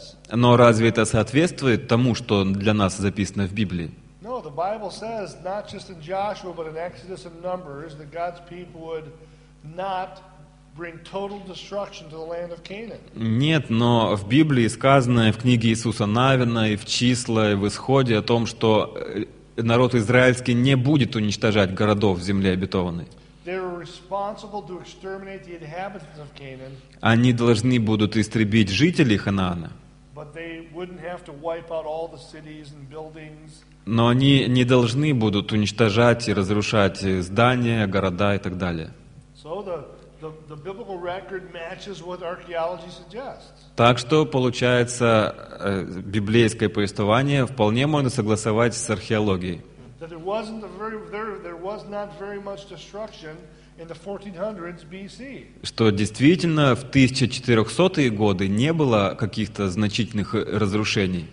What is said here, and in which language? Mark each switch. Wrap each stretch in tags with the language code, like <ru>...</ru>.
<ru>Но разве это соответствует тому, что для нас записано в Библии?</ru> <en>No, the Bible says not just in Joshua, but in Exodus and Numbers that God's people would not bring total destruction to the land of Canaan.</en> <ru>Нет, но в Библии сказано, в книге Иисуса Навина, и в числа, и в исходе о том, что народ израильский не будет уничтожать городов в земле обетованной.</ru> <en>They are responsible to exterminate the inhabitants of Canaan.</en> <ru>Они должны будут истребить жителей Ханаана.</ru> <en>But they wouldn't have to wipe out all the cities and buildings.</en> <ru>Но они не должны будут уничтожать и разрушать здания, города и так далее.</ru> <en>So the biblical record matches what archaeology suggests.</en> <ru>Так что получается, библейское повествование вполне можно согласовать с археологией.</ru> <en>That there wasn't a very there was not very much destruction in the 1400s BC.</en> <ru>Что действительно в 1400-е годы не было каких-то значительных разрушений.</ru>